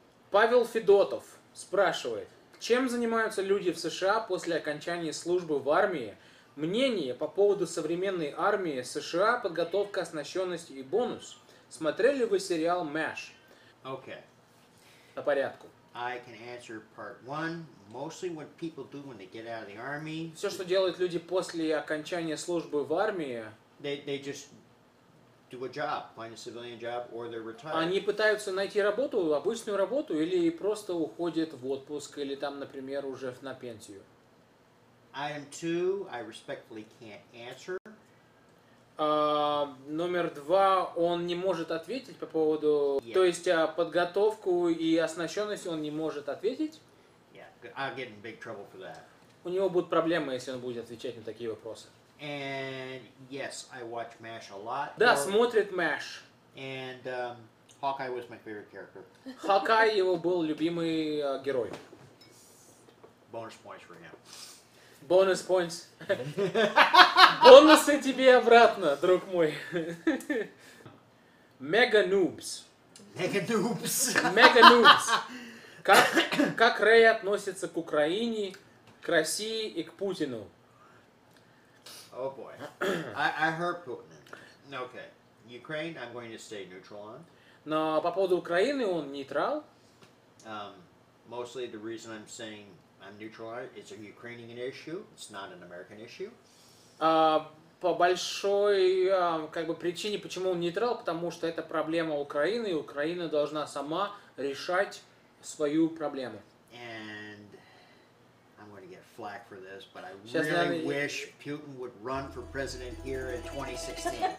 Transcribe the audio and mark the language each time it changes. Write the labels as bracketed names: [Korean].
[Russian] Павел Федотов спрашивает, чем занимаются люди в США после окончания службы в армии? Мнение по поводу современной армии США, подготовка, оснащенность и бонус. Смотрели вы сериал MASH? [English] Okay. [Russian] По порядку. [English] I can answer part one. Mostly what people do when they get out of the army. [Russian] Все, что делают люди после окончания службы в армии. [English] They just do a job, find a civilian job, or they're retired. [Russian] Они пытаются найти работу, обычную работу, или просто уходят в отпуск, или там, например, уже на пенсию. [English] Item two, I respectfully can't answer. [Russian] Номер два, он не может ответить по поводу... [English] Yeah. [Russian] То есть подготовку и оснащенность он не может ответить? [English] Yeah, I'll get in big trouble for that. [Russian] У него будут проблемы, если он будет отвечать на такие вопросы. [English] And yes, I watch MASH a lot. [Russian] Да, смотрит MASH. [English] And Hawkeye was my favorite character. [Russian] Hawkeye его был любимый герой. [English] Bonus points for him. Bonus points. [Russian] Бонусы тебе обратно, друг мой. [English] Mega Noobs. Mega Noobs. Mega Noobs. К [Russian] Как Рэй относится к Украине, к России и к Путину? [English] О, oh boy. I heard Putin. Okay. Ukraine, I'm going to stay neutral on. [Russian] Но по поводу Украины, он нейтрал. [English] Mostly the reason I'm saying I'm neutral on it, it's a Ukrainian issue, it's not an American issue. [Russian] По большой как бы причине, почему он нейтрал, потому что это проблема Украины, и Украина должна сама решать свою проблему. [English] And I'm going to get flack for this, but I Сейчас really надо... wish Putin would run for president here in 2016.